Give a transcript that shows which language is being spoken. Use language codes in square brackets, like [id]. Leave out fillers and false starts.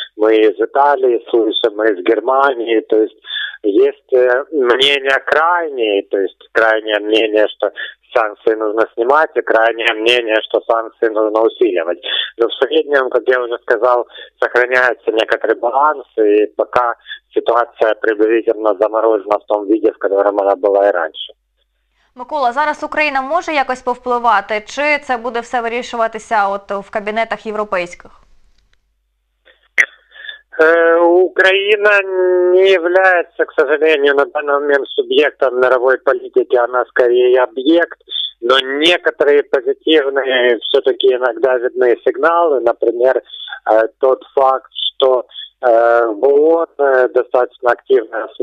[ru] Мы из Италии слышим, мы из Германии, то есть есть мнение крайнее, то есть крайнее мнение, что санкции нужно снимать, и крайнее мнение, что санкции нужно усиливать. Но в среднем, как я уже сказал, сохраняется некоторый баланс, и пока ситуация приблизительно заморожена в том виде, в котором она была и раньше. [uk] Микола, зараз Україна може якось повпливати, чи це буде все вирішуватися от в кабінетах європейських? Україна не являється, [ru] к сожалению, [uk] на даний момент суб'єктом мирової політики, вона [ru] скорее об'єкт, но некоторые позитивные все-таки иногда видны сигналы, например, тот факт, что ООН достаточно активно